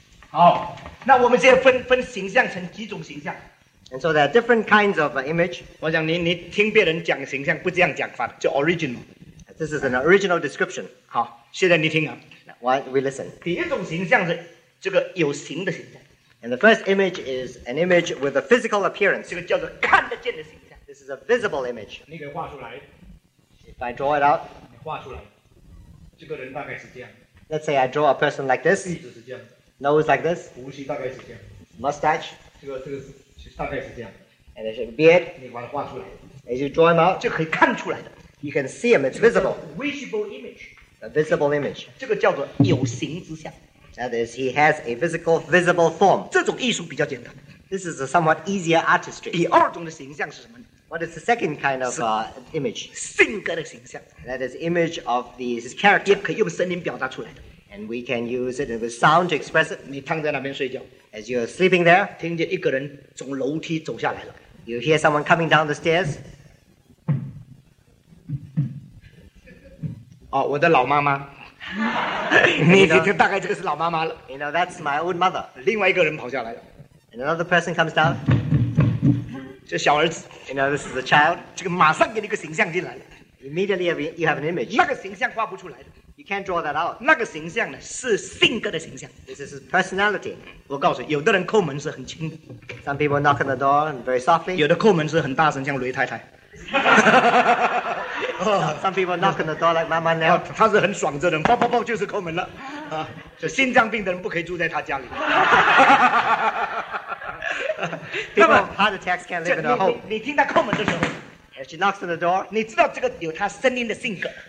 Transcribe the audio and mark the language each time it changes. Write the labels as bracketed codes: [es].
[zh] 好，那我们现在分形象成几种形象。 [en] And so there are different kinds of image. [zh] 我想你听别人讲形象不这样讲法，就 original. [en] This is an original description. [zh] 好，现在你听啊。 [en] Why we listen? [zh] 第一种形象是这个有形的形象。 [en] And the first image is an image with a physical appearance. [zh] 这个叫做看得见的形象。 [en] This is a visible image. [zh] 你给画出来。 [en] If I draw it out. [zh] 你画出来。这个人大概是这样。 [en] Let's say I draw a person like this. [zh] 鼻子是这样。 [en] Nose like this. [zh] 胡须大概是这样。 [en] Mustache. [zh] 这个大概是这样。 [en] And there's a beard. [zh] 你把它画出来。 [en] As you draw him out. [zh] 这可以看出来的。 [en] You can see him. It's visible. Visible image. A visible image. [zh] 这个叫做有形之相。 [en] That is, he has a physical, visible form. [zh] 这种艺术比较简单。 [en] This is a somewhat easier artistry. [zh] 第二种的形象是什么呢？ [en] What is the second kind of image? [zh] 性格的形象。 [en] That is image of his character. [zh] 也可以用声音表达出来的。 [en] And we can use it with sound to express it. [zh] 你躺在那边睡觉。 [en] As you're sleeping there, [zh] 听见一个人从楼梯走下来了。 [en] You hear someone coming down the stairs. [zh] 哦，我的老妈妈。你大概这个是老妈妈了。 [en] You know, that's my old mother. [zh] 另外一个人跑下来了。 [en] And another person comes down. [zh] 这小儿子。 [en] You know, this is a child. [zh] 这个马上给你一个形象进来了。 [en] Immediately, you have an image. [zh] 那个形象画不出来的。 [en] You You can't draw that out. [zh] 那个形象呢，是性格的形象。 [en] This is his personality. [zh] 我告诉你，有的人叩门是很轻的。 [en] Some people knock on the door very softly. [zh] 有的叩门是很大声，像雷太太。 [en] Some people knock on the door like Mama Nell. [zh] 他是很爽的人，砰砰砰就是叩门了。是心脏病的人不可以住在他家里。 [en] People with heart attacks can't live in a home. [zh] 你听他叩门的时候。 [en] As she knocks on the door, [zh] 你知道这个有她声音的性格。